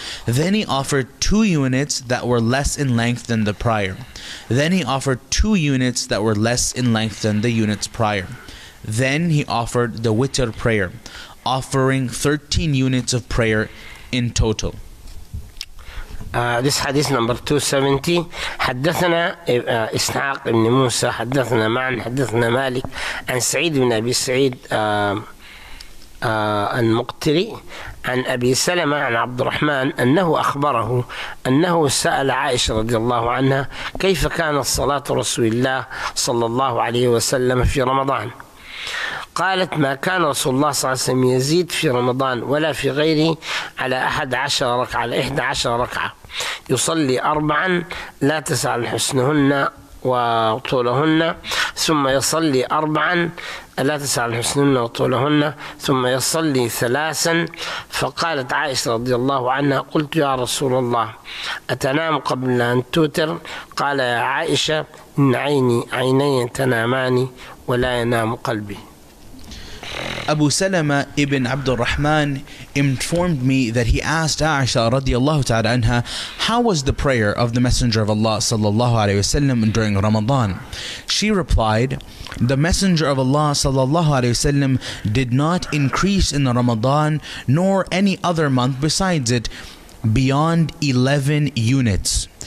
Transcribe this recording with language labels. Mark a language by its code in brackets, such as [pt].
[en] Then he offered two units that were less in length than the prior. Then he offered two units that were less in length than the units prior. Then he offered the witr prayer, offering 13 units of prayer in total. This hadith number 270. [ar] حدثنا إسحاق بن موسى حدثنا معن حدثنا مالك عن سعيد بن أبي سعيد المقتري عن أبي سلمة عن عبد الرحمن أنه أخبره أنه سأل عائشة رضي الله عنها كيف كانت صلاة رسول الله صلى الله عليه وسلم في رمضان. قالت: ما كان رسول الله صلى الله عليه وسلم يزيد في رمضان ولا في غيره على 11 ركعة، يصلي أربعا لا تسأل حسنهن وطولهن، ثم يصلي أربعا لا تسأل حسنهن وطولهن، ثم يصلي ثلاثا. فقالت عائشة رضي الله عنها: قلت يا رسول الله أتنام قبل أن توتر؟ قال: يا عائشة، إن عيني عيني تنامني ولا ينام قلبي. [en] Abu Salama ibn Abdul Rahman informed me that he asked Aisha radiallahu ta'ala anha, how was the prayer of the Messenger of Allah sallallahu alayhi wa sallam during Ramadan? She replied, the Messenger of Allah sallallahu alayhi wa sallam did not increase in the Ramadan nor any other month besides it beyond 11 units.